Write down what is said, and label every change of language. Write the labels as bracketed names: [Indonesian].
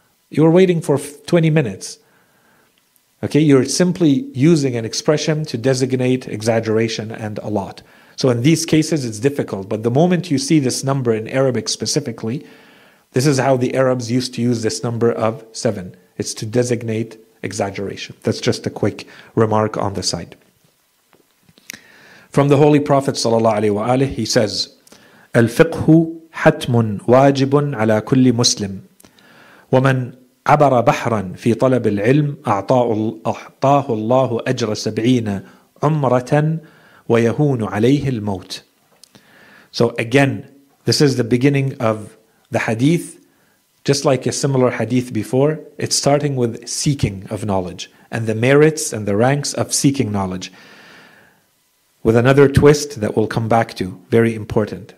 [English] You were waiting for 20 minutes. Okay, you're simply using an expression to designate exaggeration and a lot. So in these cases, it's difficult. But the moment you see this number in Arabic specifically, this is how the Arabs used to use this number of 7. It's to designate exaggeration. That's just a quick remark on the side. From the Holy Prophet sallallahu alaihi wa alihi, he says, [Arabic] الفقه حتم واجب على كل مسلم ومن عبر بحرا في طلب العلم أعطاه الله أجر 70 عمرة ويهون عليه الموت. [English] So again, this is the beginning of the hadith, just like a similar hadith before, it's starting with seeking of knowledge and the merits and the ranks of seeking knowledge. With another twist that we'll come back to, very important.